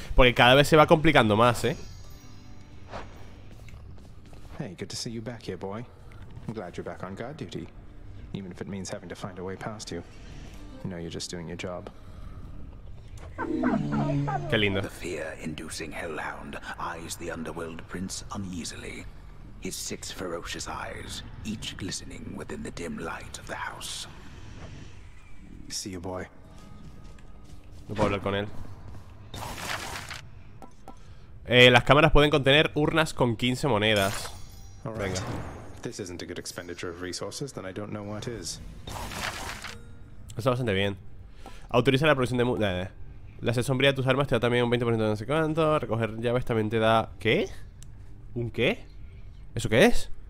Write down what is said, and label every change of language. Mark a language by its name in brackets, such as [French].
[Spanish] Porque cada vez se va complicando más, ¿eh? [English] Hey, good to see you back here, boy. I'm glad you're back on guard duty. Even if it means having to find a way past you. You know you're just doing your job. [Spanish] Qué lindo. [English] The fear-inducing hellhound eyes the underworld prince uneasily. His six ferocious eyes, each glistening within the dim light of the house. See you, boy. [Spanish] No puedo hablar con él. Las cámaras pueden contener urnas con 15 monedas. Venga. [English] Right. This isn't a good expenditure of resources, then I don't know what is. [Spanish] Está bastante bien. Autoriza la producción de La sed sombría de tus armas te da también un 20% de no sé cuánto. Recoger llaves también te da... ¿Qué? ¿Un qué? ¿Eso qué es?